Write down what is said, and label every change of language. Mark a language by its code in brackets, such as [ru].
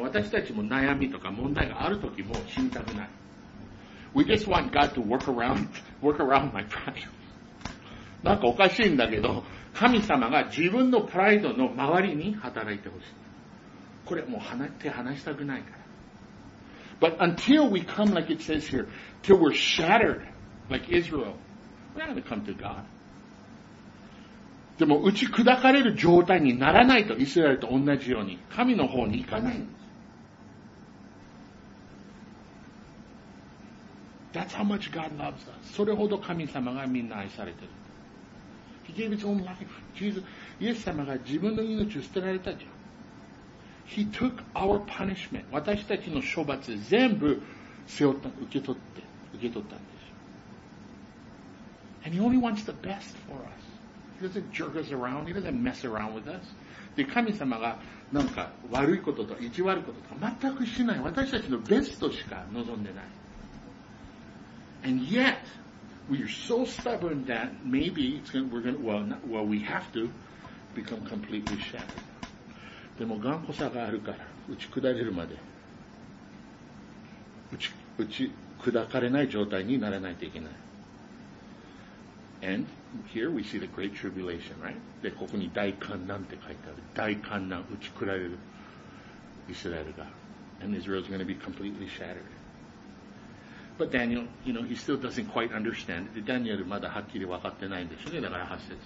[ja] 私たちも悩みとか問題があるときも死にたくない。 [en] We just want God to work around my pride. [ja] なんかおかしいんだけど、神様が自分のプライドの周りに働いてほしい。これもう手離したくないから。 [en] But until we come like it says here, till we're shattered like Israel, we're not going to come to God. [ja] でも打ち砕かれる状態にならないと、イスラエルと同じように神の方に行かない。 [en] That's how much God loves us. [ja] それほど神様がみんな愛されてる。 [en] He gave his own life. [ja] Jesus, イエス様が自分の命を捨てられたじゃん。 [en] He took our punishment. [ja] 私たちの処罰全部背負った、受け取ったんです。 [en] And he only wants the best for us. He doesn't jerk us around. He doesn't mess around with us. [ja] で、神様がなんか悪いことと意地悪いこととか全くしない。私たちのベストしか望んでない。 [en] And yet, we are so stubborn that maybe we have to become completely shattered. [ja] でも頑固さがあるから、打ち砕かれない状態にならないといけない。 [en] And here we see the great tribulation, right? [ja] で、ここに大患難って書いてある。大患難、打ち砕かれるイスラエルが。 [en] And Israel is going to be completely shattered. But Daniel, you know, he still doesn't quite understand. [ja] で、ダニエルまだはっきり分かってないんでしょうね。だから8節。